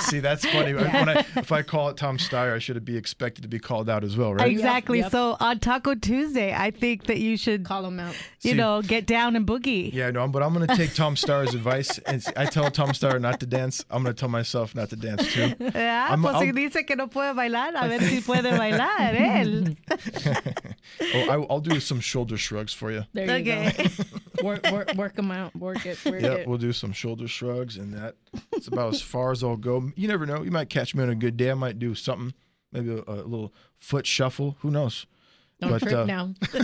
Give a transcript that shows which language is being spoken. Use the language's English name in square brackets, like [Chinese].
[English] See, that's funny. Yeah. If I call it Tom Steyer, I should be expected to be called out as well, right? Exactly. Yep. So on Taco Tuesday, I think that you should... Call him out. Get down and boogie. Yeah, no, but I'm going to take Tom Steyer's advice. I tell Tom Steyer not to dance, I'm going to tell myself not to dance too. [Spanish] Yeah, pues si dice que no puede bailar, a ver si puede bailar él. [English] Well, I'll do some shoulder shrugs for you. There you go. work them out, work it. Work yeah, we'll do some shoulder shrugs, and that's about as far as I'll go. You never know. You might catch me on a good day. I might do something, maybe a little foot shuffle. Who knows? Don't trip now.